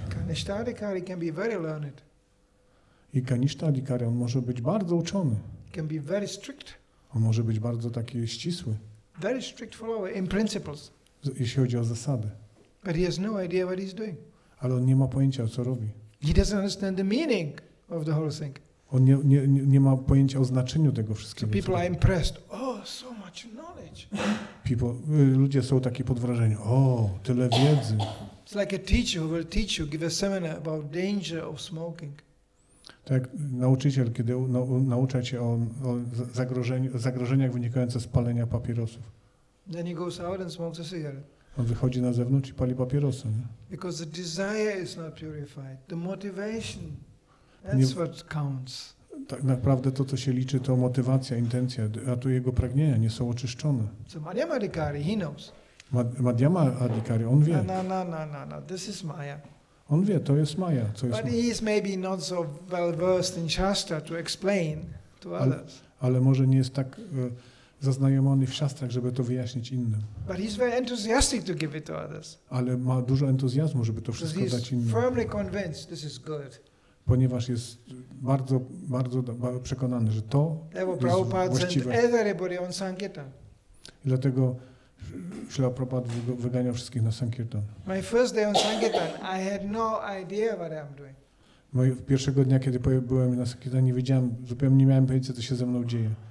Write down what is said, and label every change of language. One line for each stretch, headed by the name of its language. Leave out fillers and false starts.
English: Kanishta Adhikari can be very learned.
Polish: I Kanishta Adhikari, on może być bardzo uczony.
English: Can be very strict.
Polish: On może być bardzo taki ścisły.
English: Very strict follower in principles.
Polish: Jeśli chodzi o zasady.
English: But he has no idea what he's doing.
Polish: Ale on nie ma pojęcia, co robi.
English: He doesn't understand the meaning of the whole thing.
Polish: On nie ma pojęcia o znaczeniu tego wszystkiego.
English: So people are impressed. Oh, so much knowledge.
Polish: Ludzie są takie pod wrażeniem. O, oh, tyle wiedzy.
English: It's like a teacher who will teach you, give a seminar about danger of smoking.
Polish: Tak, nauczyciel, kiedy naucza cię o zagrożeniach wynikających z palenia papierosów.
English: Then he goes out and smokes a cigarette.
Polish: On wychodzi na zewnątrz i pali papierosy. Nie?
English: Because the desire is not purified, the motivation, that's what counts.
Polish: Tak naprawdę to, co się liczy, to motywacja, intencja, a tu jego pragnienia nie są oczyszczone.
English: So Madhyama Adhikari, he knows.
Polish: Madhyama Adhikari, on wie.
English: No, this is Maya.
Polish: On wie, to jest Maya. Co
English: but he is maybe not so well versed in Shastra to explain to others.
Polish: Ale może nie jest tak zaznajomiony w szastrach, żeby to wyjaśnić innym.
English: But he's very enthusiastic to give it to others.
Polish: Ale ma dużo entuzjazmu, żeby to wszystko dać innym.
English: Firmly convinced this is good.
Polish: Ponieważ jest bardzo, bardzo przekonany, że to jest właściwe.
English: And everybody on Sankirtan.
Polish: I dlatego Śrila Prabhupada wyganiał wszystkich na Sankirtan.
English: My first day on Sankirtan, I had no idea what I'm doing.
Polish: Pierwszego dnia, kiedy byłem na Sankirtan, nie wiedziałem, zupełnie nie miałem pojęcia, co się ze mną dzieje.